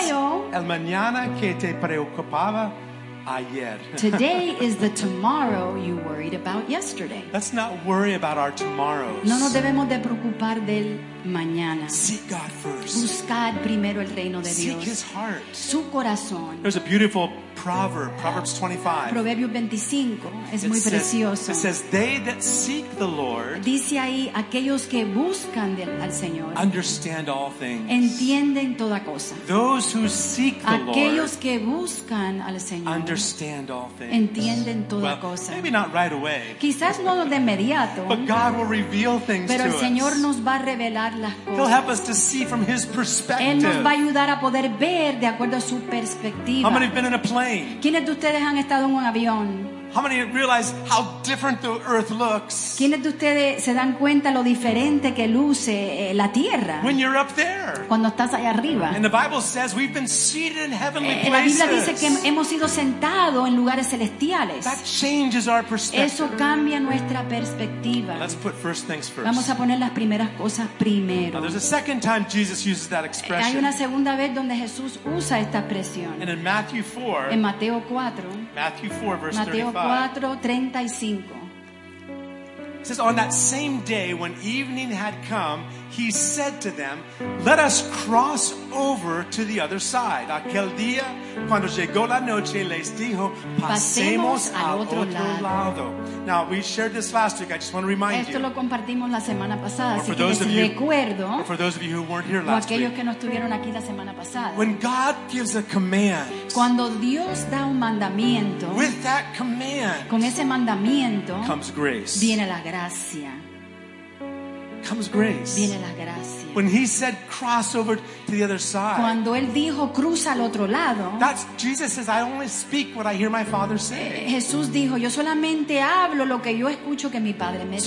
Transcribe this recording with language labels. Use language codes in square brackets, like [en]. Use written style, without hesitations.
[es] Hoy es el mañana que te preocupaba ayer. [en] Today is the tomorrow you worried about yesterday. Let's not worry about our tomorrows. [es] No nos debemos de preocupar del mañana. [en] Seek God first. [es] Buscad primero el reino de Dios. [en] Seek His heart. [es] Su corazón. [en] There's a beautiful proverb, Proverbs 25. [es] Proverbio 25 es muy precioso. [en] It says, "They that seek the Lord." [es] Dice ahí aquellos que buscan al Señor. [en] Understand all things. [es] Entienden toda cosa. [en] Those who seek the Lord. [es] Aquellos que buscan al Señor. [en] Understand all things. [es] Entienden toda cosa. [en] Maybe not right away. [es] Quizás no de inmediato. [en] But God will reveal things to us. [es] Pero el Señor nos va a revelar las cosas. [en] He'll help us to see from His perspective. [es] Él nos va a ayudar a poder ver de acuerdo a su perspectiva. [en] How many have been in a plane? [es] ¿Quiénes de ustedes han estado en un avión? [en] How many realize how different the earth looks? [es] ¿Quiénes de ustedes se dan cuenta lo diferente que luce la tierra? [en] When you're up there. [es] Cuando estás allá arriba. [en] And the Bible says we've been seated in heavenly places. [es] La Biblia dice que hemos sido sentados en lugares celestiales. [en] That changes our perspective. [es] Eso cambia nuestra perspectiva. [en] Let's put first things first. [es] Vamos a poner las primeras cosas primero. [en] Now, there's a second time Jesus uses that expression. [es] Hay una segunda vez donde Jesús usa esta expresión. [en] And in Matthew 4. [es] En Mateo 4. [en] Matthew 4 verse 35. 4:35. It says, "On that same day, when evening had come, he said to them, 'Let us cross over to the other side.' [es] Aquel día, cuando llegó la noche, les dijo, 'Pasemos al otro lado.'" [en] Now, we shared this last week. I just want to remind [es] esto Lo compartimos la semana pasada, así que les recuerdo. [en] Or for those of you who weren't here last [es] aquellos [en] week. [es] Que no estuvieron aquí la semana pasada. [en] When God gives a command. [es] Cuando Dios da un mandamiento. [en] With that command. [es] Con ese mandamiento. [en] Comes grace. [es] Viene la gracia. [en] Comes grace. [es] Viene la gracia. [en] When he said cross over to the other side. [es] Cuando él dijo cruza al otro lado. [en] That's Jesus says I only speak what I hear my father say. [es] Jesús dijo yo solamente hablo lo que yo escucho que mi padre me dice.